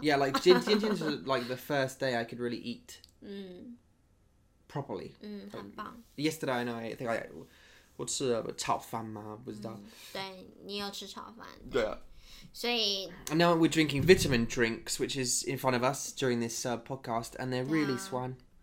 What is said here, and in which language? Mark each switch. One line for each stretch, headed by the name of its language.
English: Yeah, like 今天是 like the first day I could really eat. Properly.
Chinese: 很棒。
English: Yesterday, I know. I think I
Chinese: 我吃了炒饭吗？不知道。对，你有吃炒饭。对啊。所以,
English: and now we're drinking vitamin drinks, which is in front of us during this podcast, and they're really swan.